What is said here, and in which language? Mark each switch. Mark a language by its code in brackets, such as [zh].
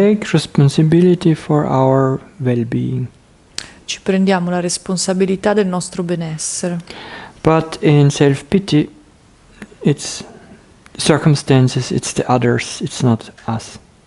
[en] We take responsibility for our well-being. [it] Ci prendiamo la responsabilità del nostro benessere. [en] But in self-pity, it's circumstances, it's the others, it's not us.